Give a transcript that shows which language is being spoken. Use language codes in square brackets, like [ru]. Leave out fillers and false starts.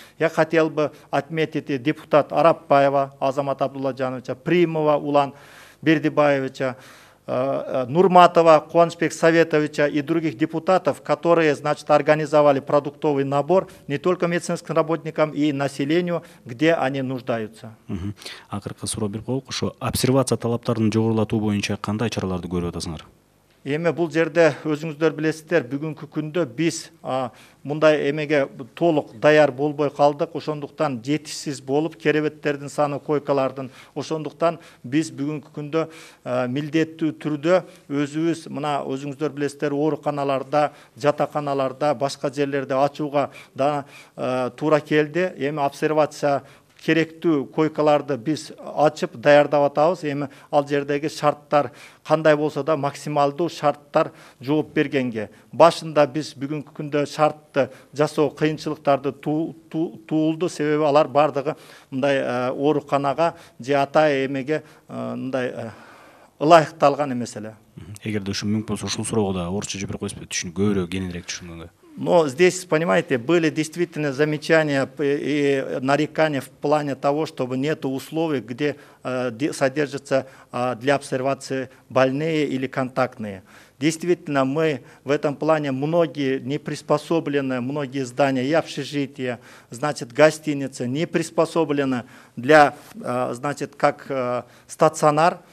[ru] Я хотел бы отметить депутат Арапбаева Азамат Абдулладжановича, Примова Улан Бердибаевича, Нурматова Куанышбек Советовича и других депутатов, которые, значит, организовали продуктовый набор не только медицинским работникам, и населению, где они нуждаются. [ky] Акыркы суроо бир болуп, ошо обсервация талаптарын жогорулатуу боюнча кандай чараларды көрүп атасыңар? Эми бул жерде өзүңүздөр билесиздер, бүгүнкү күндө биз мындай эмеге толук даяр болбой калдык, ошондуктан жетишсиз болуп керебеттердин саны, койкалардын, ошондуктан биз бүгүнкү күндө милдеттүү түрдө өзүбүз, мына өзүңүздөр билесиздер, ооруканаларда, жатаканаларда, башка жерлерде ачууга да туура келди. Эми обсервация керектүү койкаларды биз ачып даярдап атабыз. Эми ал жердеги шарттар кандай болсо да максималдуу шарттар жооп бергенге. Башында биз бүгүнкү күндө шартты жасоо кыйынчылыктарды туулду, себеби алар бардыгы мындай ооруканага же ата эмеге мындай ылайыкталган эмес эле. Эгерде ушул мүмкүн болсо ушул суроого да орусча жооп бере коесузбу, түшүнүк көбүрөөк кененирээк түшүнгөндө. [ru] Но здесь, понимаете, были действительно замечания и нарекания в плане того, чтобы нет условий, где содержатся для обсервации больные или контактные. Действительно, мы в этом плане многие не приспособлены, многие здания и общежития, значит, гостиницы не приспособлены для, значит, как стационар.